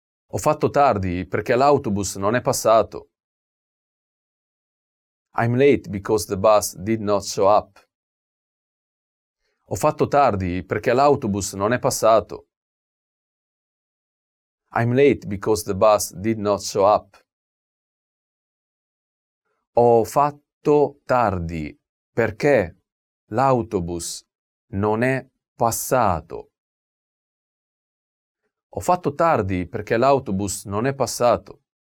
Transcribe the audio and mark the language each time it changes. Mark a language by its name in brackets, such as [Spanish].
[Italian] Ho fatto tardi perché l'autobus non è passato. [English] I'm late because the bus did not show up. [Italian] Ho fatto tardi perché l'autobus non è passato. [English] I'm late because the bus did not show up. [Italian] Ho fatto tardi perché l'autobus non è passato. Ho fatto tardi perché l'autobus non è passato.